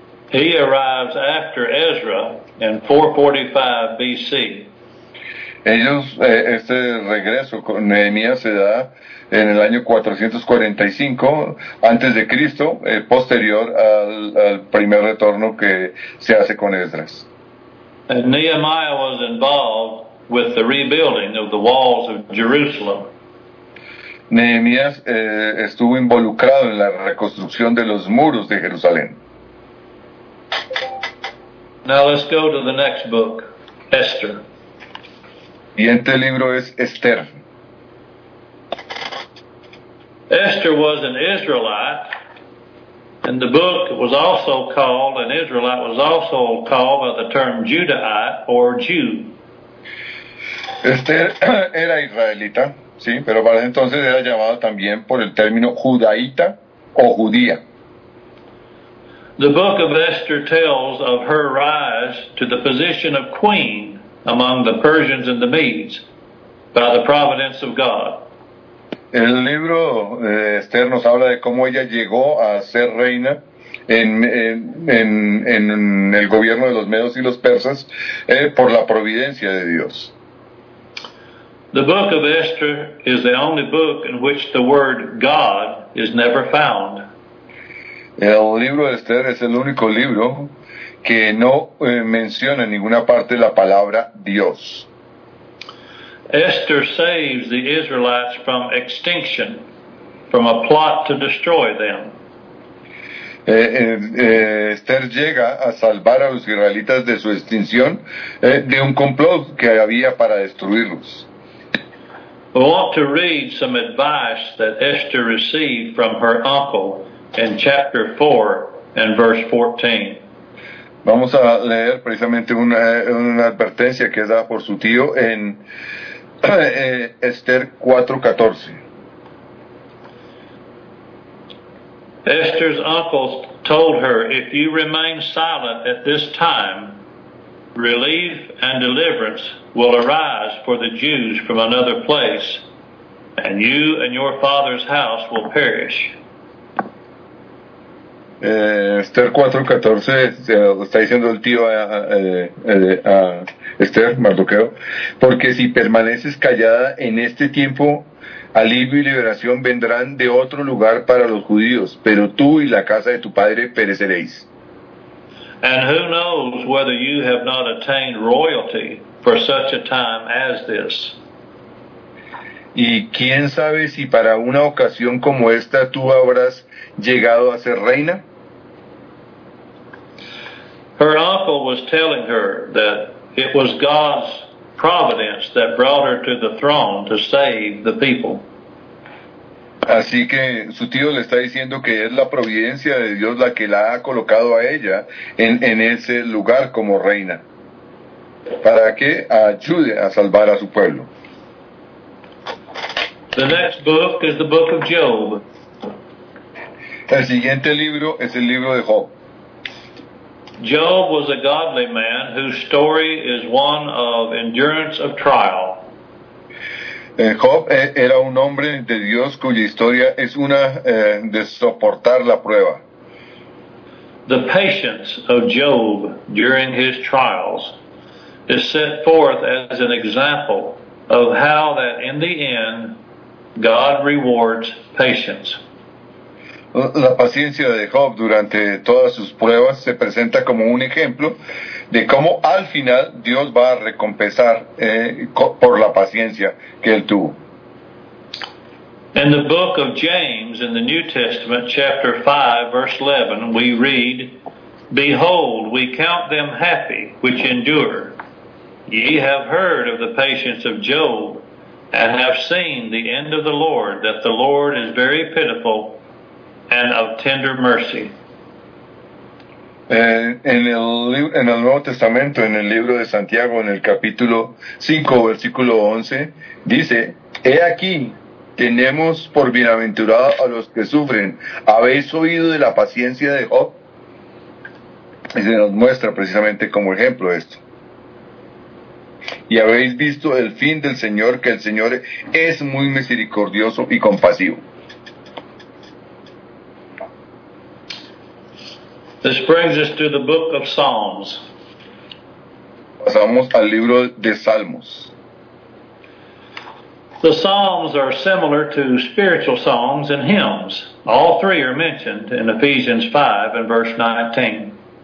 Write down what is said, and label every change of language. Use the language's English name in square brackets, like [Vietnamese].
[English] He arrives after Ezra in 445 BC. [Spanish] Ellos, este regreso con Nehemías se da en el año 445 antes de Cristo, posterior al primer retorno que se hace con Esdras. [English] And Nehemiah was involved with the rebuilding of the walls of Jerusalem. [Spanish] Nehemías estuvo involucrado en la reconstrucción de los muros de Jerusalén. [English] Now let's go to the next book, Esther. [Spanish] El siguiente libro es Esther. [English] Esther was an Israelite. And the book was also called, an Israelite was also called by the term Judahite or Jew. [Spanish] Esther era israelita, sí, pero para entonces era llamada también por el término judaíta o judía. [English] The book of Esther tells of her rise to the position of queen among the Persians and the Medes by the providence of God. [Spanish] El libro de Esther nos habla de cómo ella llegó a ser reina en el gobierno de los medos y los persas por la providencia de Dios. [English] The book of Esther is the only book in which the word God is never found. [Spanish] El libro de Esther es el único libro que no menciona en ninguna parte la palabra Dios. [English] Esther saves the Israelites from extinction, from a plot to destroy them. [Spanish] Esther llega a salvar a los israelitas de su extinción, de un complot que había para destruirlos. [English] I want to read some advice that Esther received from her uncle in chapter 4 and verse 14. [Spanish] Vamos a leer precisamente una advertencia que es dada por su tío en Esther 4:14. [English] Esther's uncle told her, "If you remain silent at this time, relief and deliverance will arise for the Jews from another place, and you and your father's house will perish." [Spanish] Esther 4:14 está diciendo el tío a Esther, Mardoqueo, porque si permaneces callada en este tiempo, alivio y liberación vendrán de otro lugar para los judíos, pero tú y la casa de tu padre pereceréis. [English] And who knows whether you have not attained royalty for such a time as this? [Spanish] Y quién sabe si para una ocasión como esta tú habrás llegado a ser reina. [English] Her uncle was telling her that it was God's providence that brought her to the throne to save the people. [Spanish] Así que su tío le está diciendo que es la providencia de Dios la que la ha colocado a ella en ese lugar como reina, para que ayude a salvar a su pueblo. [English] The next book is the book of Job. [Spanish] El siguiente libro es el libro de Job. [English] Job was a godly man whose story is one of endurance of trial. [Spanish] Job era un hombre de Dios cuya historia es una de soportar la prueba. [English] The patience of Job during his trials is set forth as an example of how that in the end, God rewards patience. [Spanish] La paciencia de Job durante todas sus pruebas se presenta como un ejemplo de cómo al final Dios va a recompensar por la paciencia que él tuvo. [English] In the book of James in the New Testament, chapter 5, verse 11, we read, Behold, we count them happy which endure. Ye have heard of the patience of Job, and have seen the end of the Lord, that the Lord is very pitiful and of tender mercy. [Spanish] En el Nuevo Testamento, en el libro de Santiago, en el capítulo 5, versículo 11, dice, He aquí, tenemos por bienaventurado a los que sufren. ¿Habéis oído de la paciencia de Job? Y se nos muestra precisamente como ejemplo esto. Y habéis visto el fin del Señor, que el Señor es muy misericordioso y compasivo. [English] This brings us to the book of Psalms. [Spanish] Pasamos al libro de Salmos. [English] The Psalms are similar to spiritual songs and hymns. All three are mentioned in Ephesians 5 and verse 19.